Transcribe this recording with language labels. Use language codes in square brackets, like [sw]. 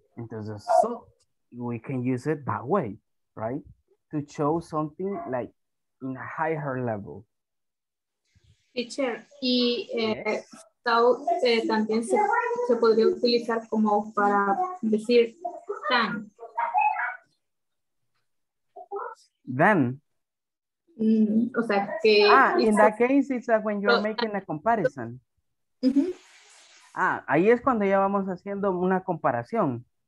[en] Entonces, so, we can use it that way, right? To show something, like, in a higher level. [es] Teacher, y también se podría utilizar como para decir tan. [en] Then. [es] O sea, que... [en] Ah, in that case, it's when you're making a comparison. [es] Ah, ahí es cuando ya vamos haciendo una comparación.